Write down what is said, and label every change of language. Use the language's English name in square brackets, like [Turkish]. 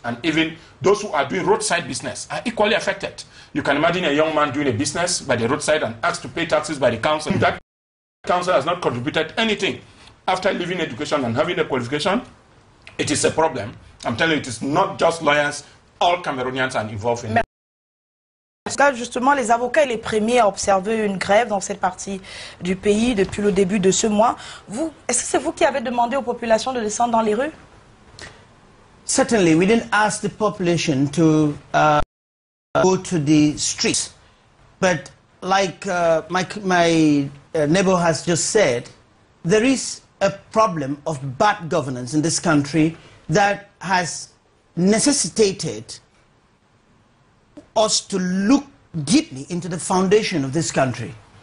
[English] And even those who are doing roadside business are equally affected. You can imagine a young man doing a business by the roadside and asked to pay taxes by the council. That council has not contributed anything. After leaving education and having a qualification, it is a problem. I'm telling you, it is not just lawyers. All Cameroonians are involved in it. [French] Justement, les avocats et les premiers à observer une grève dans cette partie du pays depuis le début de ce mois. Vous, est-ce que c'est vous qui avez demandé aux populations de descendre dans les rues? [English] Certainly, we didn't ask the population to go to the streets. But like my neighbor has just said, there is a problem of bad governance in this country that has necessitated us to look deeply into the foundation of this country.